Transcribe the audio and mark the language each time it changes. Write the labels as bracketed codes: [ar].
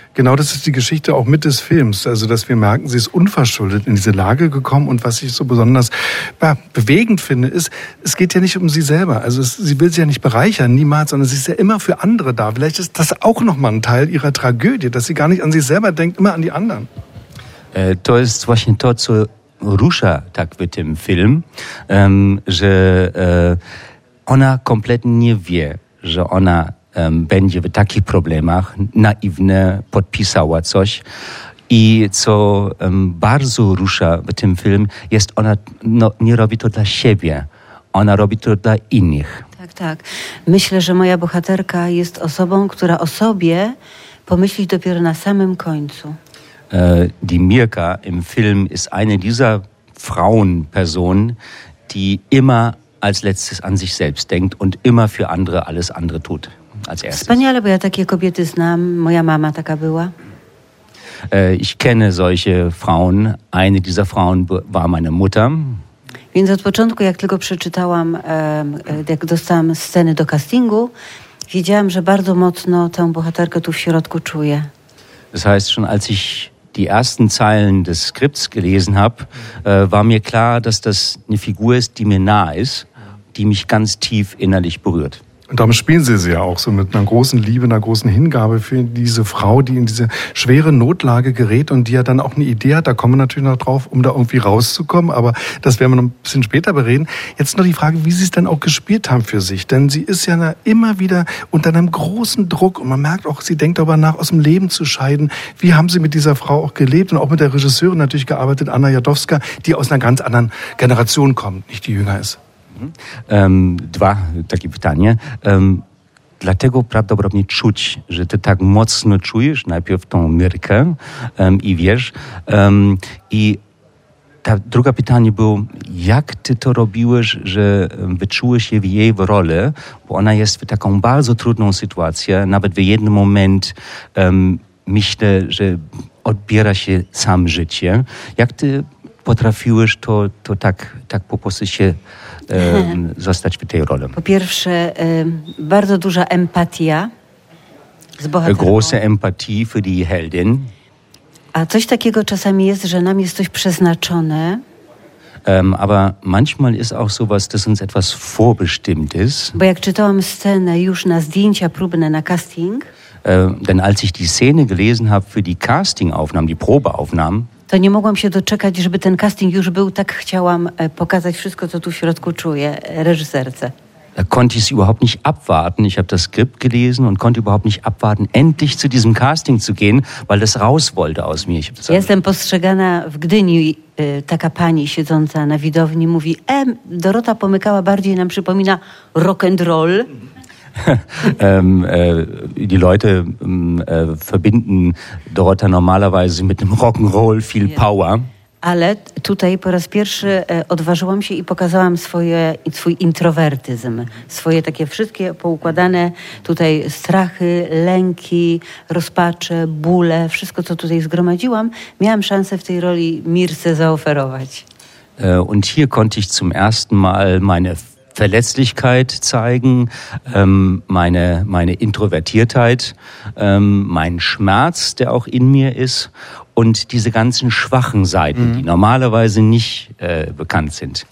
[de] Genau, das ist die Geschichte auch mit des Films. Also, dass wir merken, sie ist unverschuldet in diese Lage gekommen. Und was ich so besonders bewegend finde, ist, es geht ja nicht um sie selber. Also, sie will sie ja nicht bereichern, niemals, sondern sie ist ja immer für andere da. Vielleicht ist das auch nochmal ein Teil ihrer Tragödie, dass sie gar nicht an sich selber denkt, immer an die anderen. [pl] To jest właśnie to, co rusza tak w tym film, że ona kompletnie nie wie, że ona będzie w takich problemach, naiwnie podpisała coś. I co bardzo rusza w tym film, jest ona, no, nie robi to dla siebie, ona robi to dla innych. Tak, tak. Myślę, że moja bohaterka jest osobą, która o sobie pomyśli dopiero na samym końcu. [de] Die Mirka im Film ist eine dieser Frauenpersonen, die immer als letztes an sich selbst denkt und immer für andere alles andere tut als erstes. [pl] Wspaniale, bo ja takie kobiety znam. Moja mama taka była. [de] Ich kenne solche Frauen. Eine dieser Frauen war meine Mutter. [pl] Więc od początku, jak tylko przeczytałam, jak dostałam sceny do castingu, wiedziałam, że bardzo mocno tę bohaterkę tu w środku czuję. [de] Das heißt, schon als ich die ersten Zeilen des Skripts gelesen habe, war mir klar, dass das eine Figur ist, die mir nah ist, die mich ganz tief innerlich berührt. Und darum spielen Sie sie ja auch so mit einer großen Liebe, einer großen Hingabe für diese Frau, die in diese schwere Notlage gerät und die ja dann auch eine Idee hat, da kommen wir natürlich noch drauf, um da irgendwie rauszukommen, aber das werden wir noch ein bisschen später bereden. Jetzt noch die Frage, wie Sie es dann auch gespielt haben für sich, denn sie ist ja immer wieder unter einem großen Druck und man merkt auch, sie denkt darüber nach, aus dem Leben zu scheiden. Wie haben Sie mit dieser Frau auch gelebt und auch mit der Regisseurin natürlich gearbeitet, Anna Jadowska, die aus einer ganz anderen Generation kommt, nicht die jünger ist? [pl] Dwa takie pytanie. Dlatego prawdopodobnie czuć, że ty tak mocno czujesz najpierw tą Mirkę i wiesz. I ta druga pytanie było, jak ty to robiłeś, że wyczułeś się w jej rolę, bo ona jest w taką bardzo trudną sytuację, nawet w jednym moment myślę, że odbiera się sam życie. Jak ty potrafiłeś to tak po prostu się zostać w tej roli. Po pierwsze, bardzo duża empatia z bohaterką. [de] Große Empathie für die Heldin. [pl] A coś takiego czasami jest, że nam jest coś przeznaczone. [de] Aber manchmal ist auch sowas, dass uns etwas vorbestimmt ist. [pl] Bo jak czytałam scenę już na zdjęcia próbne na casting. [de] Denn als ich die Szene gelesen habe für die Castingaufnahmen, die Probeaufnahmen, [pl] to nie mogłam się doczekać, żeby ten casting już był, tak chciałam pokazać wszystko, co tu w środku czuję, reżyserce. [de] Da konnte ich es überhaupt nicht abwarten. Ich habe das Skript gelesen und konnte überhaupt nicht abwarten, endlich zu diesem Casting zu gehen, weil das raus wollte aus mir. [pl] Jestem postrzegana w Gdyni, taka pani siedząca na widowni mówi, Dorota Pomykała bardziej nam przypomina rock and roll. [de] die Leute verbinden Dorota normalerweise mit dem Rock'n'Roll viel Power. [pl] Ale tutaj po raz pierwszy odważyłam się i pokazałam swój introwertyzm. Swoje takie wszystkie poukładane tutaj strachy, lęki, rozpacze, bóle, wszystko co tutaj zgromadziłam, miałam szansę w tej roli Mirce zaoferować. [de] Und hier konnte ich zum ersten Mal meine Verletzlichkeit zeigen, meine Introvertiertheit, mein Schmerz, der auch in mir ist und diese ganzen schwachen Seiten, die normalerweise nicht bekannt sind.